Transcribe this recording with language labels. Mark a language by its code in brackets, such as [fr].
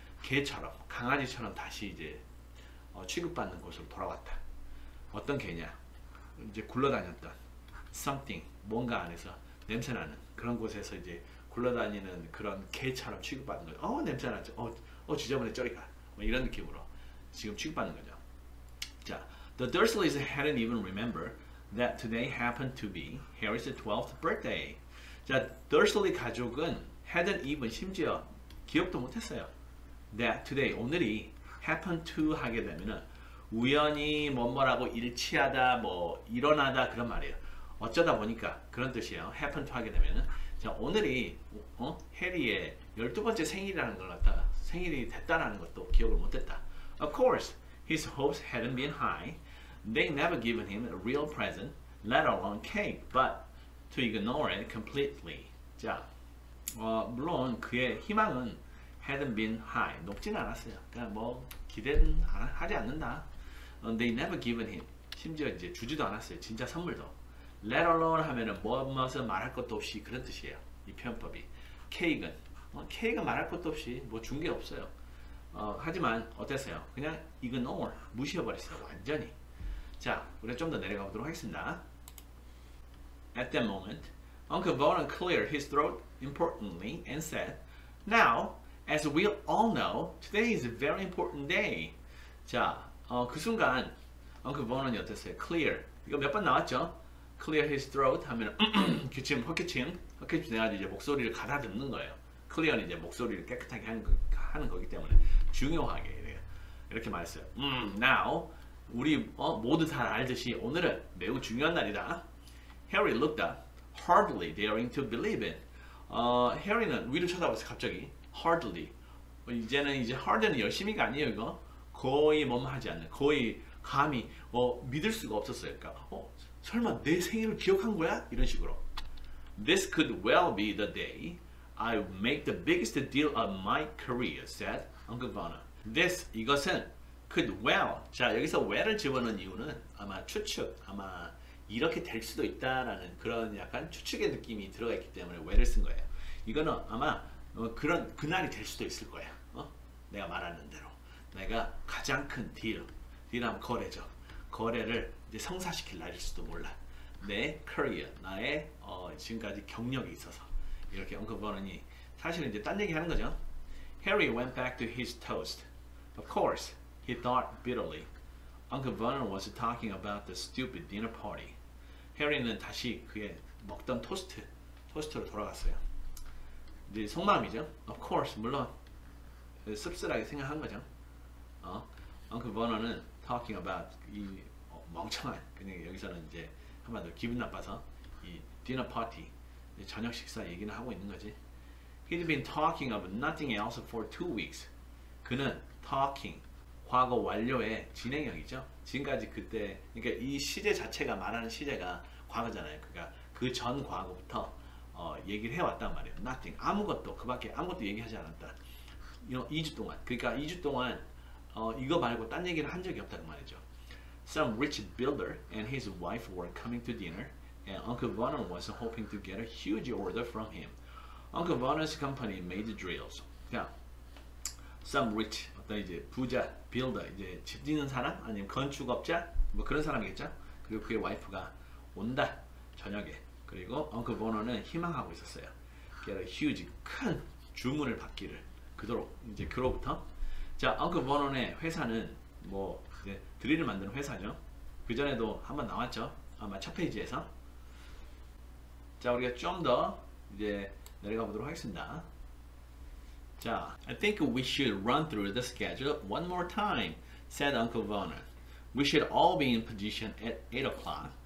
[ko] 개처럼, 강아지처럼 다시 이제 취급받는 곳으로 돌아왔다. 어떤 개냐? 이제 굴러다녔던 something, 뭔가 안에서 냄새나는 그런 곳에서 이제 굴러다니는 그런 개처럼 취급받는 거죠. 냄새나죠. 지저분해, 저리가. 뭐 이런 느낌으로 지금 취급받는 거죠. [en] 자, The Dursleys hadn't even remember that today happened to be Harry's 12th birthday. [ko] 자, Dursley 가족은 [en] hadn't even, [ko] 심지어 기억도 못했어요. [en] That today, [ko] 오늘이 happen to 하게 되면은 우연히 뭐뭐라고 일치하다, 뭐 일어나다, 그런 말이에요. 어쩌다 보니까, 그런 뜻이에요. happen to 하게 되면은. 자, 오늘이 해리의 12번째 생일이라는 걸 갖다 생일이 됐다라는 것도 기억을 못했다. [en] Of course, his hopes hadn't been high. They never given him a real present, let alone cake, but to ignore it completely. [ko] 자, 물론 그의 희망은 [en] hadn't been high, [ko] 높진 않았어요. 그러니까 뭐 기대는 하지 않는다. [en] They never given him, [ko] 심지어 이제 주지도 않았어요, 진짜 선물도. Let alone 하면은 무엇을 말할 것도 없이, 그런 뜻이에요, 이 표현법이. cake은 말할 것도 없이, 뭐 준 게 없어요. 하지만 어땠어요? 그냥 ignore, 무시해버렸어요, 완전히. 자, 우리 좀 더 내려가 보도록 하겠습니다. [en] At that moment, Uncle Vernon cleared his throat importantly and said, Now, as we all know, today is a very important day. [ko] 자, 그 순간 Uncle Vernon이 어땠어요? Clear, 이거 몇 번 나왔죠? Clear his throat 하면 기침, 헛기침. 헛기침 돼가지고 이제 목소리를 가다듬는 거예요. Clear는 이제 목소리를 깨끗하게 하는 거기 때문에 중요하게 이렇게 말했어요. Now, 우리 모두 다 알듯이 오늘은 매우 중요한 날이다. [en] Harry looked up, hardly daring to believe it. [ko] Harry는 위로 쳐다봤어요, 갑자기. [en] Hardly. [ko] 이제 hard는 열심히가 아니에요, 이거. 거의 뭐뭐 하지 않는, 거의 감히 믿을 수가 없었어요. 그러니까 설마 내 생일을 기억한 거야? 이런 식으로. [en] This could well be the day I make the biggest deal of my career, said Uncle Vernon. This, [ko] 이것은 [en] Could well. [ko] 자, 여기서 well을 집어넣은 이유는 아마 추측, 아마 이렇게 될 수도 있다라는 그런 약간 추측의 느낌이 들어가 있기 때문에 well을 쓴 거예요. 이거는 아마 그런 그날이 될 수도 있을 거야. 내가 말하는 대로. 내가 가장 큰 deal, deal하면 거래죠. 거래를 이제 성사시킬 날일 수도 몰라. 내 career, 나의 지금까지 경력이 있어서 이렇게 언급하느니 사실은 이제 딴 얘기 하는 거죠. [en] Harry went back to his toast. Of course. He thought bitterly. Uncle Vernon was talking about the stupid dinner party. [ko] Harry는 다시 그의 먹던 토스트로 돌아갔어요. 이제 속마음이죠. Of course, 물론 씁쓸하게 생각한 거죠. Uncle Vernon은 [en] talking about [ko] 이 멍청한, 그냥 여기서는 이제 한마디로 기분 나빠서 이 dinner party, 저녁 식사 얘기는 하고 있는 거지. [en] He'd been talking of nothing else for 2 weeks. [ko] 그는 talking. 과거 완료의 진행형이죠. 지금까지 그때, 그러니까 이 시제 자체가 말하는 시제가 과거잖아요. 그러니까 그전 과거부터 얘기를 해왔단 말이에요. [en] Nothing. [ko] 아무것도, 그 밖에 아무것도 얘기하지 않았다. 2주 동안. 그러니까 2주 동안 이거 말고 딴 얘기를 한 적이 없다고 말이죠. [en] Some rich builder and his wife were coming to dinner, and Uncle Vernon was hoping to get a huge order from him. Uncle Vernon's company made drills. [ko] Yeah. Some rich, 어떤 이제 부자, builder, 이제 집 짓는 사람, 아니면 건축업자, 뭐 그런 사람이겠죠? 그리고 그의 와이프가 온다, 저녁에. 그리고 Uncle Vernon은 희망하고 있었어요. Get a huge, 큰 주문을 받기를. 그도록, 이제 그로부터. 자, Uncle Vernon의 회사는 뭐, 이제 드릴을 만드는 회사죠. 그전에도 한번 나왔죠. 아마 첫 페이지에서. 자, 우리가 좀더 이제 내려가 보도록 하겠습니다. [en] 자, I think we should run through the schedule one more time, said Uncle Vernon. We should all be in position at 8 o'clock.